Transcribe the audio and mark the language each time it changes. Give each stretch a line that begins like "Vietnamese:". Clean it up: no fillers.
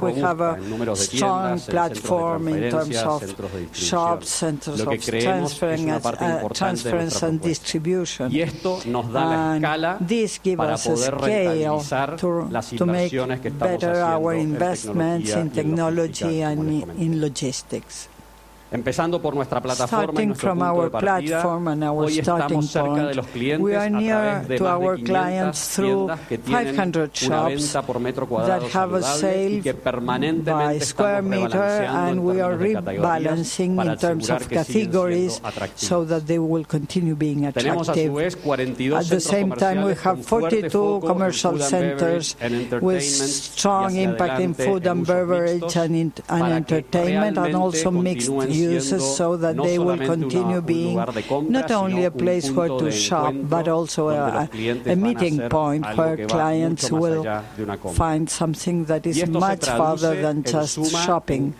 English: We have a strong platform in terms of shops, centers of transference and distribution. And this gives us a scale to make better our investments in technology and in logistics.
Spanish: Empezando por nuestra plataforma y nuestro punto de partida, hoy estamos cerca de los clientes a través de más de 500 tiendas que tienen una venta por metro cuadrado saludable y que permanentemente estamos rebalanceando en términos de categorías para asegurar que siguen siendo atractivos. Tenemos a su vez 42 centros comerciales con fuerte foco en
English: food and beverage and entertainment, con strong impact in food and beverage and entertainment, and also mixed uses, so that they will continue being not only a place where to shop, but also a meeting point where clients will find something that is much farther than just shopping.